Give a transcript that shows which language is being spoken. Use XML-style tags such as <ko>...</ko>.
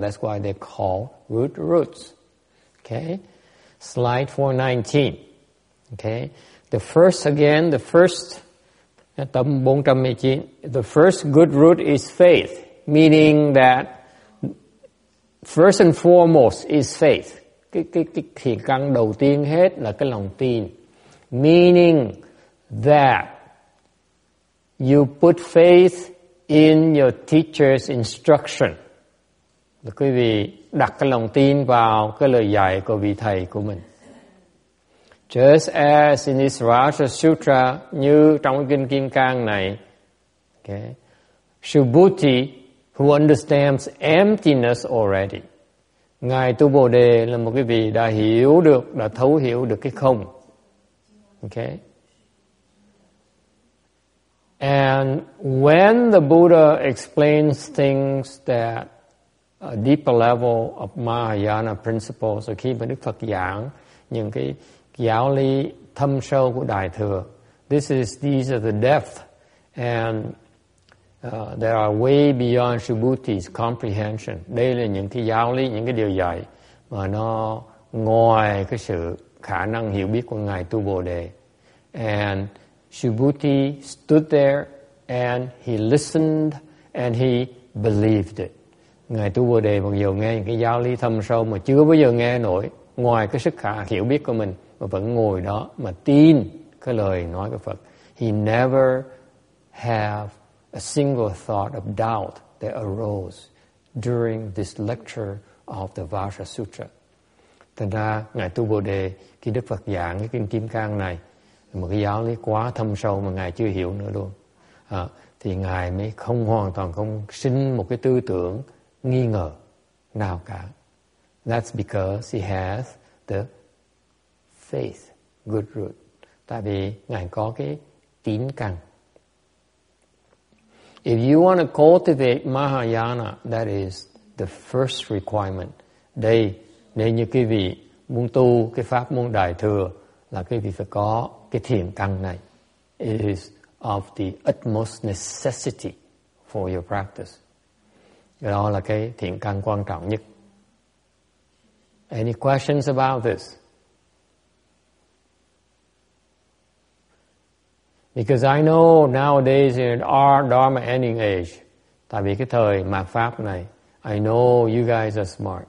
<en>That's why they call root roots. Okay? Slide 419. Okay? The first, tâm 419. The first good root is faith, meaning that first and foremost is faith.</en> <vi>Cái thiền căn đầu tiên hết là cái lòng tin.</vi> <en>Meaning that you put faith in your teacher's instruction.</en> <vi>Quý vị đặt cái lòng tin vào cái lời dạy của vị thầy của mình.</vi> <en>Just as in this Vajra Sutra,</en> <vi>như trong kinh Kim Cang này,</vi> <en>okay, Subhuti, who understands emptiness already,</en> <vi>Ngài Tu Bồ Đề là một cái vị đã hiểu được, đã thấu hiểu được cái không.</vi> <en>Okay? And when the Buddha explains things that a deeper level of Mahayana principles.</en> <vi>So khi mà Đức Phật giảng những cái giáo lý thâm sâu của Đại Thừa,</vi> <en>these are the depth, and they are way beyond Subhuti's comprehension.</en> <vi>Đây là những cái giáo lý, những cái điều dạy mà nó ngoài cái sự khả năng hiểu biết của Ngài Tu Bồ Đề.</vi> <en>And Subhuti stood there and he listened and he believed it.</en> <vi>Ngài Tu Bồ Đề mặc dù nghe những cái giáo lý thâm sâu mà chưa bao giờ nghe nổi, ngoài cái sức khả hiểu biết của mình, mà vẫn ngồi đó mà tin cái lời nói của Phật.</vi> <en>He never have a single thought of doubt that arose during this lecture of the Vajra Sutra.</en> <vi>Thành ra, Ngài Tu Bồ Đề, khi Đức Phật giảng cái Kinh Kim Cang này, một cái giáo lý quá thâm sâu mà Ngài chưa hiểu nữa luôn. Thì Ngài mới không hoàn toàn không sinh một cái tư tưởng nghi ngờ nào cả.</vi> <en>That's because he has the faith, good root.</en> <vi>Tại vì Ngài có cái tín căn.</vi> <en>If you want to cultivate Mahayana, that is the first requirement.</en> <vi>Đây, nếu như quý vị muốn tu cái pháp môn Đại Thừa, là quý vị phải có cái thiền căn này.</vi> <en>It is of the utmost necessity for your practice.</en> <vi>Đó là cái thiện căn quan trọng nhất.</vi> <en>Any questions about this? Because I know nowadays in our Dharma ending age,</en> <vi>tại vì cái thời mạt pháp này,</vi> <en>I know you guys are smart.</en>